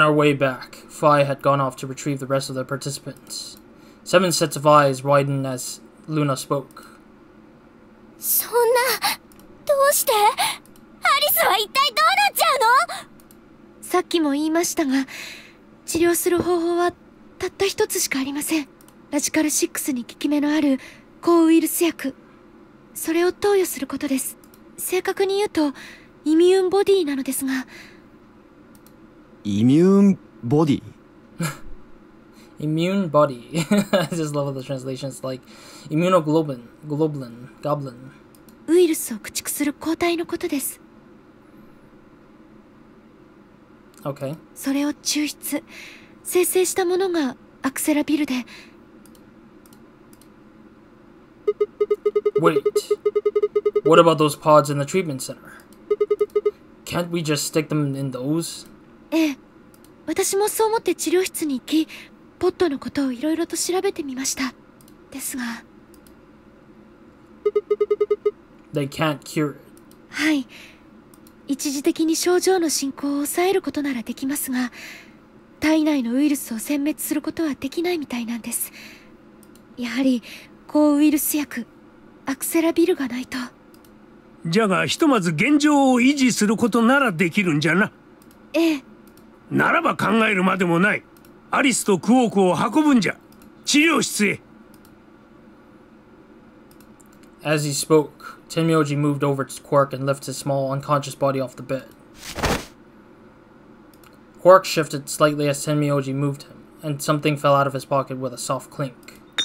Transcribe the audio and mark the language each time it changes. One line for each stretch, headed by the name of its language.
English: our way back, Fi had gone off to retrieve the rest of the participants. 7 sets of eyes widened as Luna spoke.
Japanese: そんな、どうして？アリスは一体どうなっちゃうの？さっきも言いましたが、治療する方法はたった一つしかありません。ラジカル6に効き目のある抗ウイルス薬。それを投与することです。正確に言うとイミューンボディなのですが。イミューンボディ。
English: Immune body. I just love the translation. It's like immunoglobulin, globulin, goblin.
Japanese: ウイルスを駆逐する抗体のことです。
English: Okay.
Japanese: それを抽出、生成したものがアクセラビルで。
English: Wait. What about those pods in the treatment center? Can't we just stick them in those?
Japanese: ええ、私もそう思って治療室に行き、ポットのことをいろいろと調べてみました。ですが、
English: They can't cure it.
Japanese: はい。一時的に症状の進行を抑えることならできますが、体内のウイルスを殲滅することはできないみたいなんです。やはり、抗ウイルス薬、アクセラビルがないと。じゃが、ひとまず現状を維持することならできるんじゃな。ええ。ならば考えるまでもない。アリスとクォークを運ぶんじゃ。治療室へ。
English: As he spoke, Tenmyoji moved over to Quark and lifted his small, unconscious body off the bed. Quark shifted slightly as Tenmyoji moved him, and something fell out of his pocket with a soft clink.